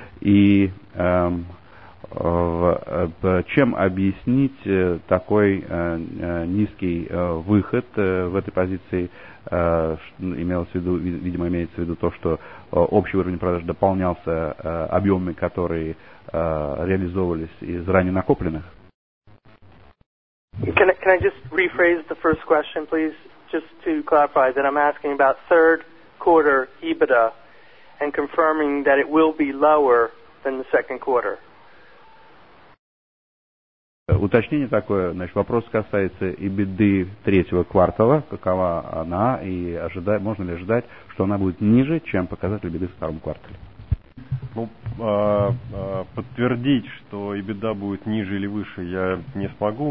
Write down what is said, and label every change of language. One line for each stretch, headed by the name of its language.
Russian: И чем объяснить такой низкий выход в этой позиции? Имелось в виду, видимо, имеется в виду то, что общий уровень продаж дополнялся объемами, которые реализовывались из ранее накопленных.
English: Can I just rephrase the first question, please, just to clarify that I'm asking about third quarter EBITDA and confirming that it will be lower than the second quarter.
Russian: Уточнение такое, значит, вопрос касается EBITDA третьего квартала, какова она, и ожидать, можно ли ожидать, что она будет ниже, чем показатель EBITDA в втором квартале? Ну, подтвердить, что EBITDA будет ниже или выше, я не смогу.